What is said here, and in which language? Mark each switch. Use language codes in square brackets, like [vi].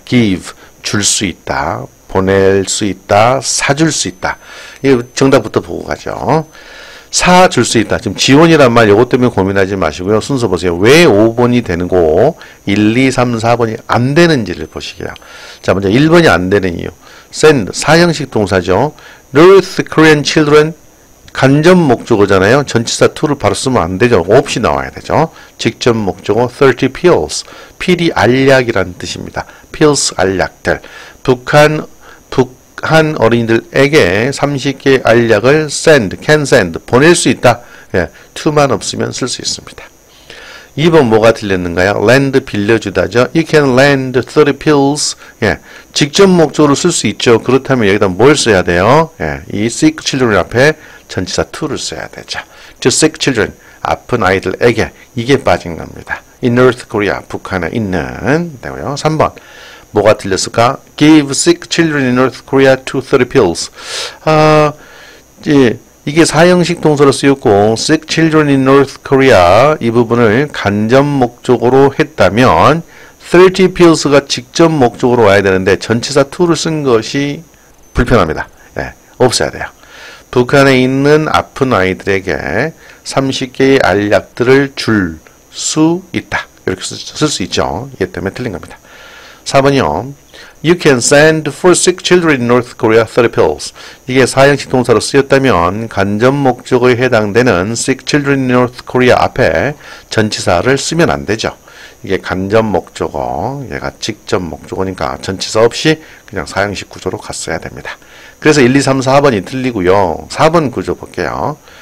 [ko] give, 줄 수 있다. 보낼 수 있다. 사줄 수 있다. 이 정답부터 보고 가죠. 사줄 수 있다. 지금 지원이란 말 이것 때문에 고민하지 마시고요. 순서 보세요. 왜 5번이 되는고 1, 2, 3, 4번이 안 되는지를 보시게요. 자, 먼저 1번이 안 되는 이유. send, 사형식 동사죠. [en] North Korean children, 간접 목적어잖아요. [ko] 전치사 to를 바로 쓰면 안 되죠. of이 나와야 되죠. 직접 목적어 30 pills, 피리 알약이란 뜻입니다. pills, 알약들. 북한 어린이들에게 30개 알약을 send, [en] can send, [ko] 보낼 수 있다. 예, to만 없으면 쓸 수 있습니다. 2번 뭐가 틀렸는가요? [en] lend, [ko] 빌려주다죠. [en] You can lend 30 pills. [ko] 예, 직접 목적으로 쓸 수 있죠. 그렇다면 여기다 뭘 써야 돼요? 예, 이 sick children 앞에 전치사 to를 써야 되죠. [en] To sick children, 아픈 아이들에게. [ko] 이게 빠진 겁니다. [en] In North Korea, 북한에 있는. [ko] 되고요. 3번. 뭐가 틀렸을까? [en] Give sick children in North Korea 230 pills. [ko] 아, 예, 이게 사형식 동사로 쓰였고 [en] sick children in North Korea [ko] 이 부분을 간접 목적으로 했다면 30 pills가 직접 목적으로 와야 되는데 전치사 2를 쓴 것이 불편합니다. 예, 없어야 돼요. 북한에 있는 아픈 아이들에게 30개의 알약들을 줄 수 있다. 이렇게 쓸 수 있죠. 이 때문에 틀린 겁니다. 4번이요. [en] You can send for sick children in North Korea 30 pills. [ko] 이게 사형식 동사로 쓰였다면 간접 목적에 해당되는 [en] sick children in North Korea [ko] 앞에 전치사를 쓰면 안 되죠. 이게 간접 목적어, 얘가 직접 목적어니까 전치사 없이 그냥 사형식 구조로 갔어야 됩니다. 그래서 1, 2, 3, 4번이 틀리고요. 4번 구조 볼게요.